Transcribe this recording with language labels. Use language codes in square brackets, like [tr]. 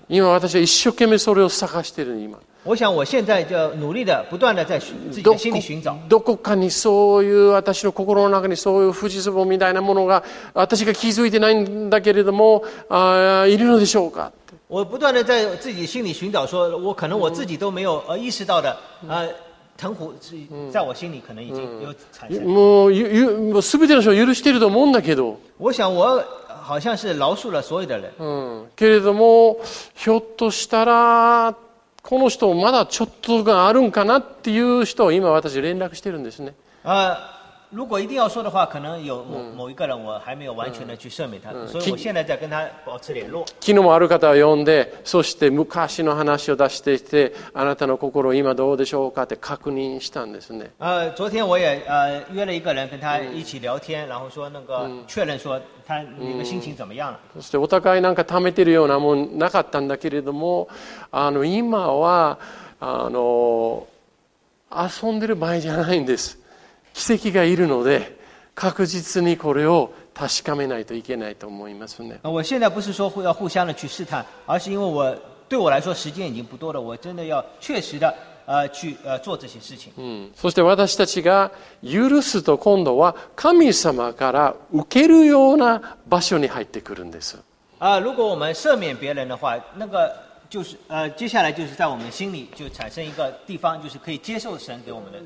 [ja] 今私は一生懸命それを探している今。 [zh] 我想我现在就努力的不断的在自己的心里寻找。 [ja] どこかにそういう私の心の中にそういう富士壺みたいなものが私が気づいてないんだけれどもいるのでしょうか。 [zh] 我不断的在自己心里寻找，说我可能我自己都没有意识到的藤壶在我心里可能已经有产生。 [ja] もうすべての人を許していると思うんだけど。 [zh] 我想我好像是饶恕了所有的人。 [ja] けれどもひょっとしたら。この人まだちょっとがあるんかなっていう人を今私連絡してるんですね。 [zh] 如果一定要说的话，可能有某一个人我还没有完全的去赦免他，所以我现在在跟他保持联络。 [ja] 昨日もある方を呼んで、そして昔の話を出していて、あなたの心今どうでしょうかって確認したんですね。 [zh] 昨天我也约了一个人跟他一起聊天，然后说那个确认说他那个心情怎么样了。 [ja] そしてお互いなんか溜めてるようなもんなかったんだけれども、今は遊んでる場合じゃないんです。奇跡がいるので確実にこれを確かめないといけないと思いますね。 [zh] 我现在不是说要互相的去试探，而是因为我对我来说时间已经不多了，我真的要确实的去做这些事情。 [ja] そして私たちが許すと今度は神様から受けるような場所に入ってくるんです。 [zh] 如果我们赦免别人的话，那个就是接下来就是在我们心里就产生一个地方，就是可以接受神给我们的。